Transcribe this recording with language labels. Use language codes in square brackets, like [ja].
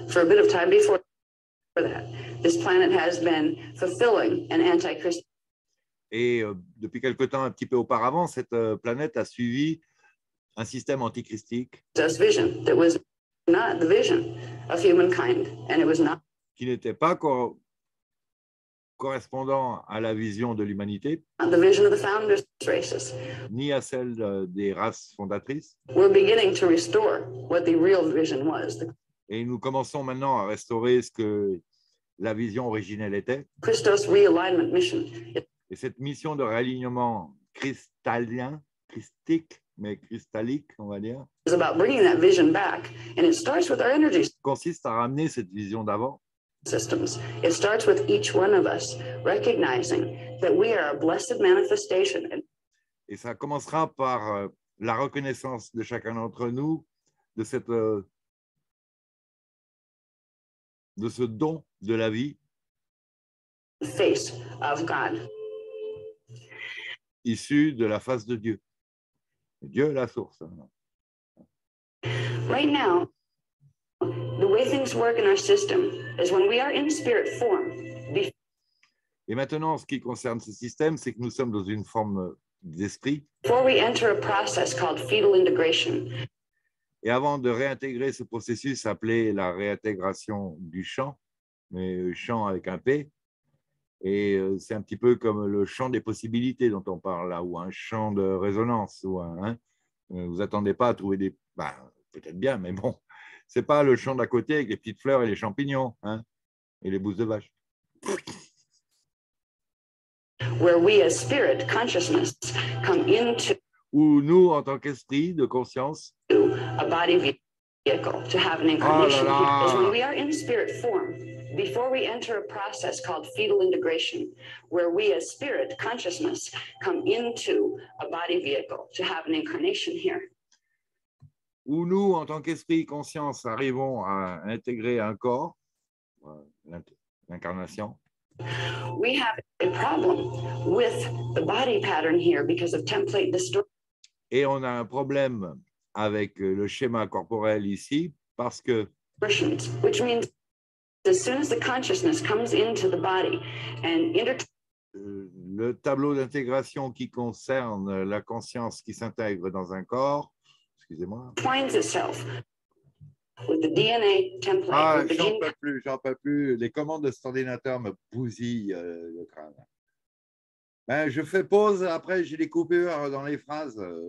[en] For a bit of time before that, this planet has been fulfilling an anti-Christ. [fr] Et depuis quelque temps, un petit peu auparavant, cette planète a suivi un système antichristique. [en] This vision that was not the vision of humankind, and it was not. [fr] Qui n'était pas correspondant à la vision de l'humanité, [en] the vision of the founders races, [fr] ni à celle des races fondatrices. [en] We're beginning to restore what the real vision was. [fr] Et nous commençons maintenant à restaurer ce que la vision originelle était. [en] Christos realignment mission. [fr] Et cette mission de réalignement cristallien, christique, mais cristallique, on va dire, [en] is about bringing that vision back, and it starts with our energy. [fr] Consiste à ramener cette vision d'avant. [en] Systems. It starts with each one of us recognizing that we are a blessed manifestation. [fr] Et ça commencera par la reconnaissance de chacun d'entre nous de cette de ce don de la vie. [en] The face of God. [fr] Issu de la face de Dieu. Dieu la source. [en] Right now, the way things work in our system is when we are in spirit form. [fr] Et maintenant, ce qui concerne ce système, c'est que nous sommes dans une forme d'esprit. [en] Before we enter a process called fetal integration. [fr] Et avant de réintégrer ce processus appelé la réintégration du champ, mais champ avec un P, et c'est un petit peu comme le champ des possibilités dont on parle là, ou un champ de résonance, ou vous attendez pas à trouver des, ben, peut-être bien, mais bon. Ce n'est pas le champ d'à côté avec les petites fleurs et les champignons, hein, et les bousses de vache. [en] Where we as spirit consciousness come into. [fr] Où nous, en tant qu'esprit de conscience. [en] A body vehicle to have an incarnation. [fr] Oh là là. [en] Because when we are in spirit form, before we enter a process called fetal integration, where we as spirit consciousness come into a body vehicle to have an incarnation here. [fr] Où nous, en tant qu'esprit conscience, arrivons à intégrer un corps, l'incarnation. [en] We have a problem with the body pattern here because of template distortion. [fr] Et on a un problème avec le schéma corporel ici parce que [en] which means as soon as the consciousness comes into the body and [fr] le tableau d'intégration qui concerne la conscience qui s'intègre dans un corps, excusez-moi, [en] finds itself with the DNA template. [fr] Ah, j'en peux plus. Les commandes de cet ordinateur me bousillent le crâne. Ben, je fais pause, après j'ai des coupures dans les phrases.